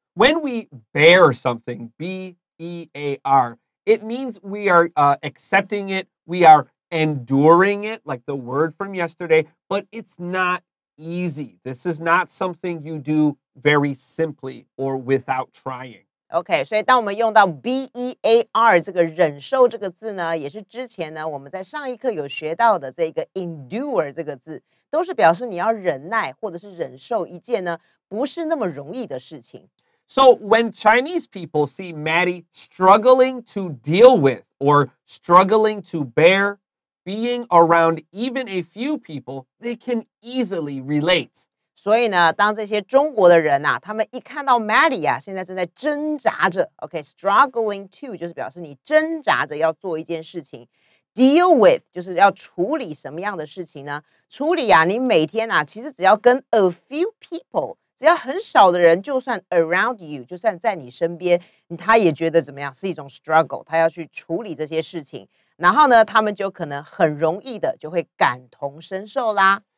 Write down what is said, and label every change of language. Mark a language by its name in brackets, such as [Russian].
[English] When we bear something, B-E-A-R, it means we are accepting it, we are enduring it, like the word from yesterday, but it's not easy. This is not something you do very simply or without trying. [Chinese] OK， 所以当我们用到 B-E-A-R 这个忍受这个字呢，也是之前呢我们在上一课有学到的这个 endure 这个字，都是表示你要忍耐或者是忍受一件呢不是那么容易的事情。 [English] So when Chinese people see Maddie struggling to deal with or struggling to bear being around even a few people, they can easily relate. [Chinese] 所以呢当这些中国的人啊他们一看到 Maddie 啊现在正在挣扎着， OK， [English] struggling to [Chinese] 就是表示你挣扎着要做一件事情， [English] deal with [Chinese] 就是要处理什么样的事情呢，处理啊你每天啊其实只要跟 [English] a few people， [Chinese] 只要很少的人，就算 [English] around you， [Chinese] 就算在你身边，他也觉得怎么样是一种 struggle， 他要去处理这些事情，然后呢他们就可能很容易的就会感同身受啦。